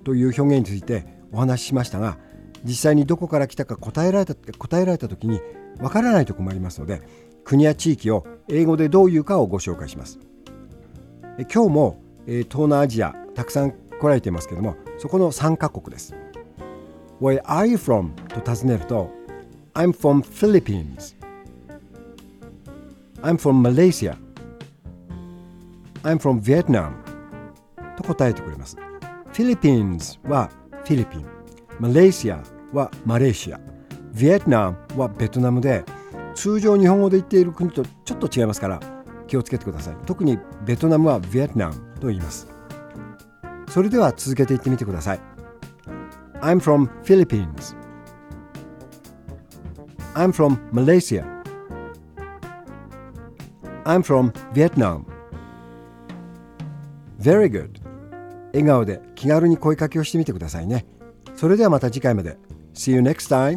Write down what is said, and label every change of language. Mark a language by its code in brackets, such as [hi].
[ja] という表現についてお話ししましたが、実際にどこから来たか答えられた時にわからないと困りますので、国や地域を英語でどういうかをご紹介します。今日も東南アジアたくさん来られていますけれども、そこの3カ国です。 [en] Where are you from? [ja] と尋ねると、 [en] I'm from Philippines、 I'm from Malaysia、I'm from Vietnam [ja] と答えてくれます。 Philippines はフィリピン、 Malaysia はマレーシア、 Vietnam はベトナムで、通常日本語で言っている国とちょっと違いますから気をつけてください。特にベトナムは Vietnam と言います。それでは続けて言ってみてください。 [en] I'm from Philippines、 I'm from Malaysia、 I'm from VietnamVery good. [ja] 笑顔で気軽に声かけをしてみてくださいね。それではまた次回まで。 [en] See you next time.